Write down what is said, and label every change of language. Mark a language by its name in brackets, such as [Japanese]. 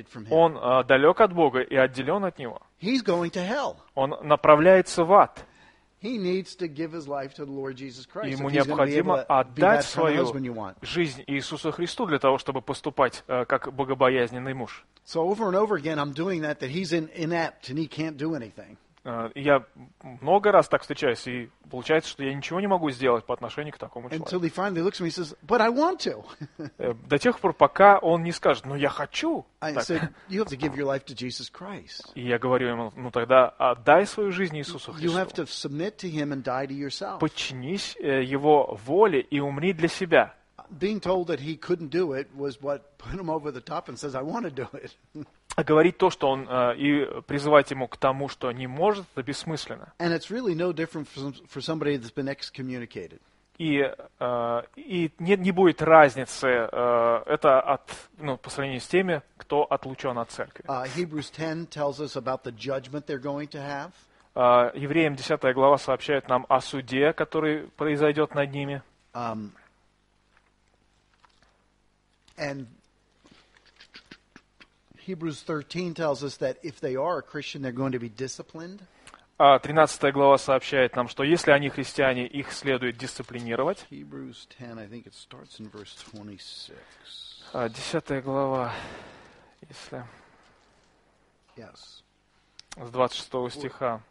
[Russian] Он далек от Бога и отделен от Него. Он направляется в ад. Ему необходимо отдать свою жизнь Иисусу Христу для того, чтобы поступать как богобоязненный муж. [English] So over and over again, I'm doing that, that he's inept and he can't do anything. [Russian] Я много раз так встречаюсь, и получается, что я ничего не могу сделать по отношению к такому человеку. [English] Until he finally looks at me and says, "But I want to." [Russian] До тех пор, пока он не скажет: "Но я хочу." [English] I said, "You have to give your life to Jesus Christ." [Russian] И я говорю ему: "Ну тогда отдай свою жизнь Иисусу Христу." [English] You have to submit to him and die to yourself. [Russian] Подчинись его воле и умри для себя. [English] Being told that he couldn't do it was what put him over the top and says, "I want to do it." [Russian] А говорить то, что он и призывать ему к тому, что не может, это бессмысленно. [English] And it's really no different for somebody that's been excommunicated. [Russian] И нет, не будет разницы. Это от, ну, по сравнению с теми, кто отлучен от церкви. [English] Hebrews 10 tells us about the judgment they're going to have. [Russian] Евреям 10 глава сообщает нам о суде, который произойдет над ними. [English] And Hebrews 13 tells us that if they are a Christian, they're going to be disciplined. [Russian] 13 глава сообщает нам, что если они христиане, их следует дисциплинировать. [English] Hebrews 10, I think it starts in verse 26. [Russian] 10 глава, если... [English] Yes. [Russian] С 26 стиха.